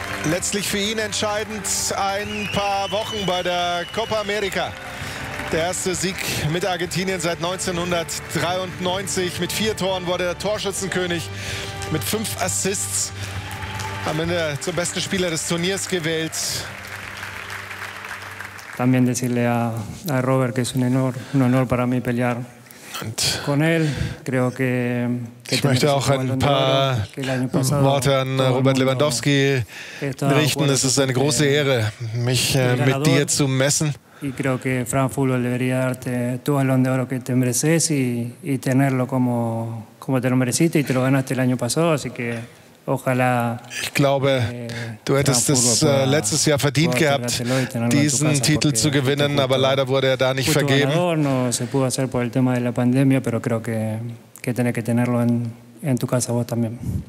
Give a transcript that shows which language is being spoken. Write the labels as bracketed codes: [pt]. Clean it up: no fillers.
[de] Letztlich für ihn entscheidend ein paar Wochen bei der Copa America. Der erste Sieg mit Argentinien seit 1993. Mit 4 Toren wurde er Torschützenkönig. Mit 5 Assists am Ende zum besten Spieler des Turniers gewählt. [es] También decirle a Robert que es un honor para mí pelear con él. Creo que [de] ich möchte auch ein paar Worte an Robert Lewandowski richten. Es ist eine große Ehre, mich mit dir zu messen. [es] Y creo que Frank Fulo debería darte tu balón de oro que te mereces y tenerlo como te lo mereciste y te lo ganaste el año pasado, así que ojalá. [de] Ich glaube, du hättest es letztes Jahr verdient gehabt, diesen Titel zu gewinnen, aber leider wurde da nicht vergeben. [es] No se pudo hacer por el tema de la pandemia, pero creo que tenés que tenerlo en tu casa vos también.